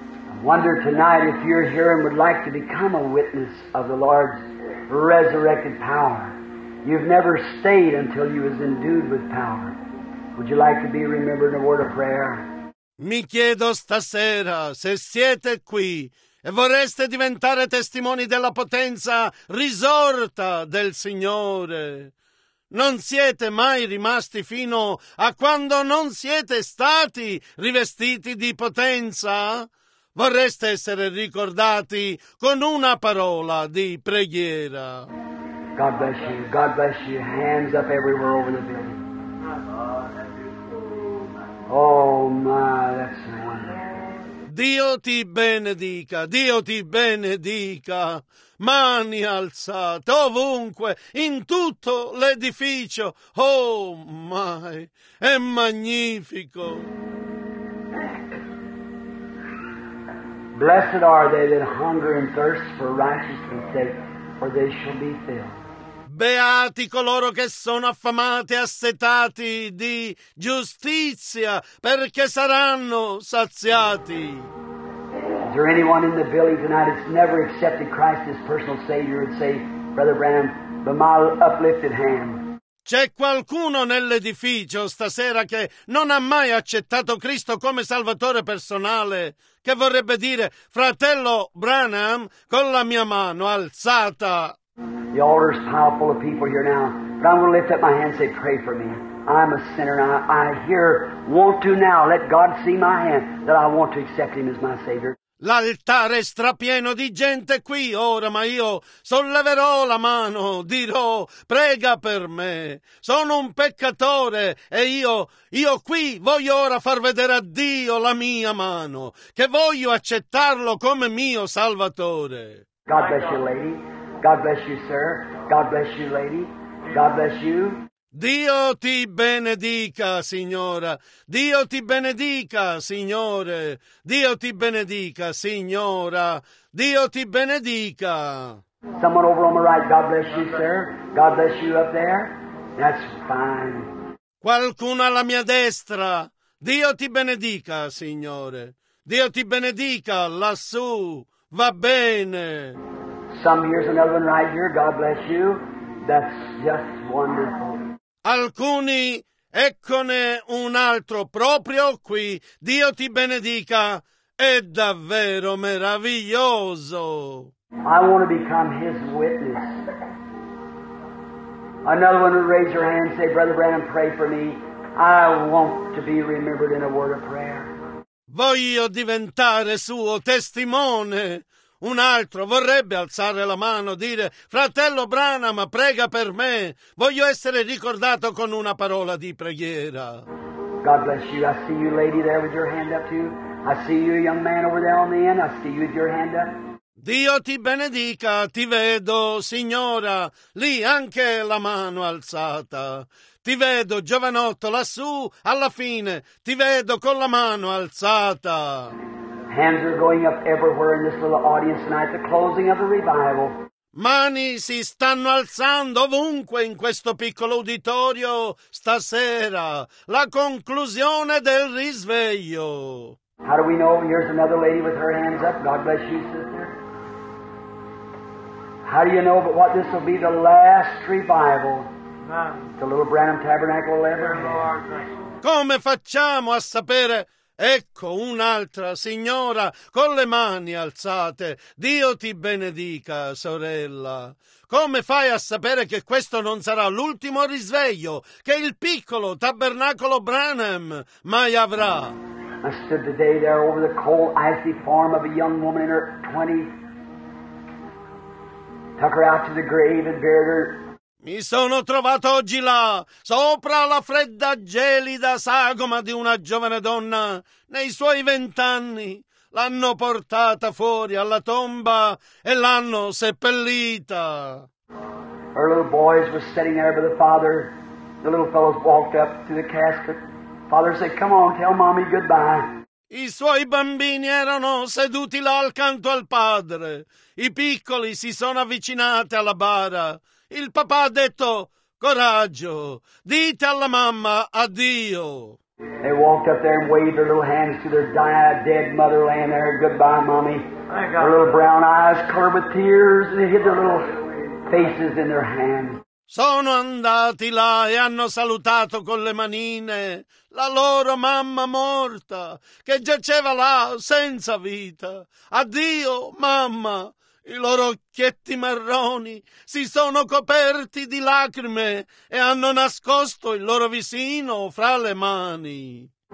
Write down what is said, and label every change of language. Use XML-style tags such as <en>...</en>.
<en>I wonder tonight if you're here and would like to become a witness of the Lord's resurrected power. You've never stayed until you was endued with power. Would you like to be remembered in a word of prayer?</en> <it>Mi chiedo stasera se siete qui e vorreste diventare testimoni della potenza risorta del Signore. Non siete mai rimasti fino a quando non siete stati rivestiti di potenza? Vorreste essere ricordati con una parola di preghiera?</it> <en>God bless you. God bless you. Hands up everywhere over the building. Oh, my, that's wonderful.</en> <it>Dio ti benedica, Dio ti benedica. Mani alzate ovunque, in tutto l'edificio.</it> <en>Oh, my,</en> <it>è magnifico.</it> <en>Blessed are they that hunger and thirst for righteousness' sake, for they shall be filled.</en> <it>Beati coloro che sono affamati e assetati di giustizia, perché saranno saziati.</it> <en>Is there anyone in the building tonight that's never accepted Christ as personal Savior and say, Brother Branham, by my uplifted hand?</en> <it>C'è qualcuno nell'edificio stasera che non ha mai accettato Cristo come Salvatore personale, che vorrebbe dire, fratello Branham, con la mia mano alzata?</it> <en>The altar is powerful of people here now, but I'm going to lift up my hand and say, pray for me. I'm a sinner and I want to now, let God see my hand, that I want to accept him as my Savior.</en> <it>L'altare è strapieno di gente qui ora, ma io solleverò la mano, dirò, prega per me. Sono un peccatore e io qui voglio ora far vedere a Dio la mia mano, che voglio accettarlo come mio Salvatore.</it> <en>God bless you, lady. God bless you, sir. God bless you, lady. God bless you.</en> <it>Dio ti benedica, signora. Dio ti benedica, signore. Dio ti benedica, signora. Dio ti benedica.</it> <en>Someone over on the right. God bless you, sir. God bless you up there. That's fine.</en> <it>Qualcuno alla mia destra. Dio ti benedica, signore. Dio ti benedica, lassù. Va bene.</it> <en>Some here's another one right here. God bless you. That's just wonderful.</en> <it>Alcuni, eccone un altro proprio qui. Dio ti benedica. È davvero meraviglioso.</it> <en>I want to become his witness. Another one would raise your hand and say, Brother Branham, pray for me. I want to be remembered in a word of prayer.</en> <it>Voglio diventare suo testimone. Un altro vorrebbe alzare la mano, dire, fratello Branham, prega per me. Voglio essere ricordato con una parola di preghiera.</it> <en>God bless you. I see you, lady, there with your hand up too. I see you, young man, over there on the end. I see you with your hand up.</en> <it>Dio ti benedica, ti vedo, signora, lì anche la mano alzata. Ti vedo, giovanotto, lassù, alla fine, ti vedo con la mano alzata.</it> <en>Hands are going up everywhere in this little audience tonight, the closing of the revival.</en> <it>Mani si stanno alzando ovunque in questo piccolo uditorio stasera, la conclusione del risveglio.</it> <en>How do we know? Here's another lady with her hands up. God bless you, sister. How do you know but what this will be the last revival? The little Branham Tabernacle will ever have.</en> <it>Come facciamo a sapere? Ecco un'altra signora con le mani alzate. Dio ti benedica, sorella. Come fai a sapere che questo non sarà l'ultimo risveglio che il piccolo tabernacolo Branham mai avrà?</it> <en>I stood today there over the cold, icy form of a young woman in her 20s. Took her out to the grave and buried her.</en> <it>Mi sono trovato oggi là, sopra la fredda gelida sagoma di una giovane donna. Nei suoi 20 anni l'hanno portata fuori alla tomba e l'hanno seppellita.</it> <en>Her little boys were sitting there by the father. The little fellows walked up to the casket. Father said, come on, tell mommy goodbye.</en> <it>I suoi bambini erano seduti là accanto al padre. I piccoli si sono avvicinati alla bara. Il papà ha detto, coraggio, dite alla mamma addio.</it> <en>They walked up there and waved their little hands to their dead mother laying there. Goodbye, mommy. Their little brown eyes covered with tears. And they hid their little faces in their hands.</en> <it>Sono andati là e hanno salutato con le manine la loro mamma morta che giaceva là senza vita. Addio, mamma! I loro occhietti marroni si sono coperti di lacrime e hanno nascosto il loro visino fra le mani.</it>